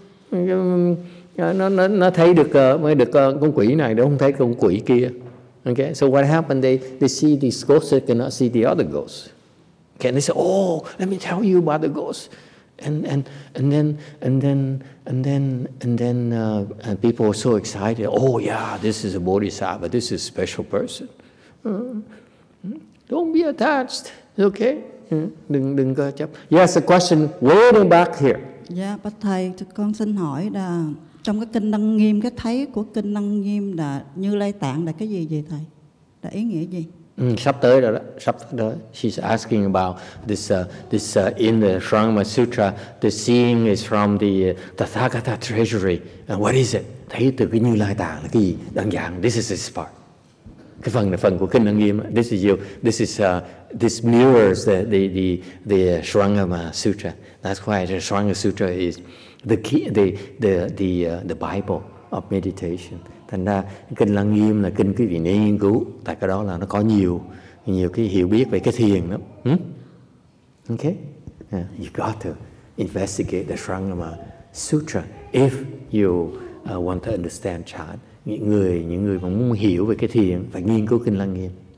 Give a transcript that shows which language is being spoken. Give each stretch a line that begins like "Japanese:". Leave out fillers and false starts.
Vietnamese: Nó thấy được mới được con quỷ này, nó không thấy con quỷ kia.
English: Okay, so what happened? They see these ghosts, they cannot see the other ghosts. Okay, they say, oh, let me tell you about the ghosts. And then people are so excited. Oh yeah, this is a bodhisattva. This is a special person. Don't be attached. Okay.
Vietnamese: Đừng có chấp.
English: Yes, a question way in the back here.
Vietnamese: Yeah, but thầy, con xin hỏi là trong cái kinh Đăng Nghiêm, cái thấy của kinh Đăng Nghiêm là Như Lai Tạng là cái gì vậy thầy? Là ý nghĩa gì? Sắp tới rồi đó, sắp tới đó.
English: She's asking about this in the Shrama Sutra, the seeing is from the Tathagata treasury. And what is it?
Vietnamese: Thấy từ cái Như Lai Tạng là cái gì? Đơn giản,
English: this is this part.
Vietnamese: Cái phần này, phần của kinh Đăng Nghiêm.
English: This is you. This is this mirrors the Shrama Sutra. That's why the Shrama Sutra is the key, the Bible of meditation.
Vietnamese: Thành ra kinh Lăng Nghiêm là kinh quý vị nên nghiên cứu, tại cái đó là nó có nhiều cái hiểu biết về cái thiền đó.
English: Okay, yeah. You got to investigate the Shrama Sutra if you want to understand chan.
Vietnamese: Những người mà muốn hiểu về cái thiền phải nghiên cứu kinh Lăng Nghiêm.